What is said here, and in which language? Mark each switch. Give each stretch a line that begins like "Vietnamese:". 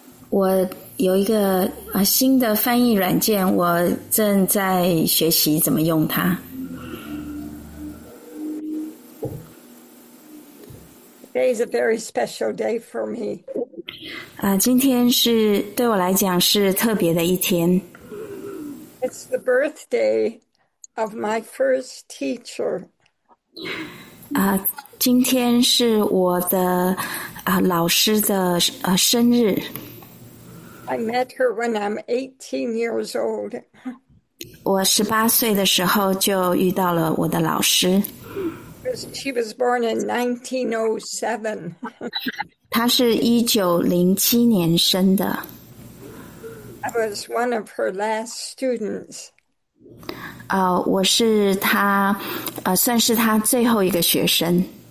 Chinese: 我有一个新的翻译软件，我正在学习怎么用它。
English: Today is a very special day for me.
Chinese: 今天是对我来讲是特别的一天。
English: It's the birthday of my first teacher.
Chinese: 今天是我的老师的生日。
English: I met her when I'm 18 years old.
Chinese: 我18岁的时候就遇到了我的老师。
English: She was born in 1907.
Chinese: 他是1907年生的。
English: I was one of her last students.
Chinese: 我是他，算是他最后一个学生。